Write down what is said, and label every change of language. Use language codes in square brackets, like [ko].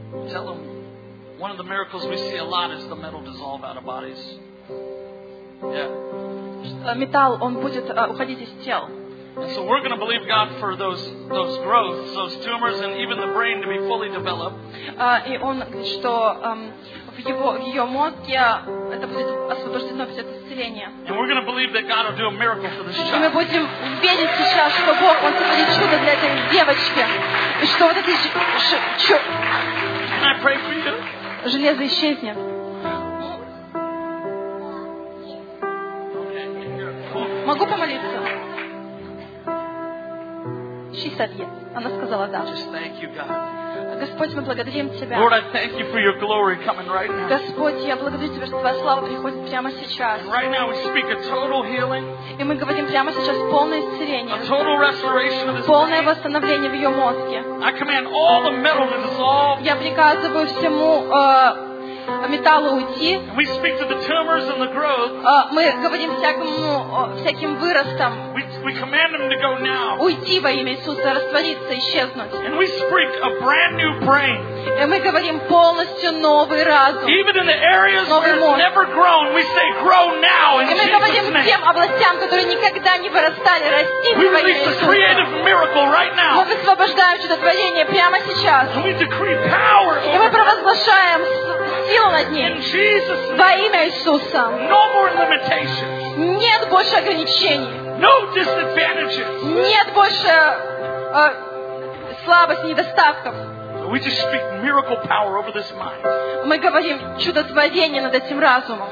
[en] Tell them, one of the miracles we see a lot is the metal dissolve out of bodies. Yeah. [ru] Металл, он будет уходить из тел. [en] So we're going to believe God for those growths, those tumors, and even the brain to be fully developed. [ru] И он говорит, что в ее мозге это будет освобождено, будет исцеление. [en] And we're going to believe that God will do a miracle for this child. [ru] И мы будем верить сейчас, что Бог, он сотворит чудо для этой девочки, и что вот это [en] Can I pray for you? [ru] Железо исчезнет. [en] Okay. [ru] могу помолиться? [en] She said yes. [ru] Она сказала да. [en] Just thank you, God. [ru] Господь, мы благодарим Тебя. [en] Lord, I thank you for your glory coming right now. [ru] Господь, я благодарю Тебя, что Твоя слава приходит прямо сейчас. [en] And right now we speak a total healing. [ru] И мы говорим прямо сейчас полное исцеление. [en] A total restoration of his [ru] полное [en] brain. [ru] Восстановление в ее мозге. [en] I command all the metal to dissolve. [ru] Я приказываю всему металлу уйти. [en] And we speak to the tumors and the growth. [ru] Мы говорим всяким выростам. [en] We command them to go now. [ru] Уйти во имя Иисуса, раствориться, исчезнуть. [en] And we speak a brand new brain. [ru] И мы говорим полностью новый разум. [en] Even in the areas where it's never grown, we say grow now in Jesus' name. [ru] И мы говорим тем областям, которые никогда не вырастали, расти во имя Иисуса. [en] We release a creative miracle right now. [ru] Мы высвобождаем чудотворение прямо сейчас. [en] And we decree power. [ru] И мы провозглашаем силу над ним. [en] In Jesus' name. [ru] Во имя Иисуса. [en] No more limitations. [ru] Нет больше ограничений. [en] No disadvantages. [ru] Нет больше слабости, недостатков. [en] We just speak miracle power over this mind. [ru] Мы говорим чудотворение над этим разумом.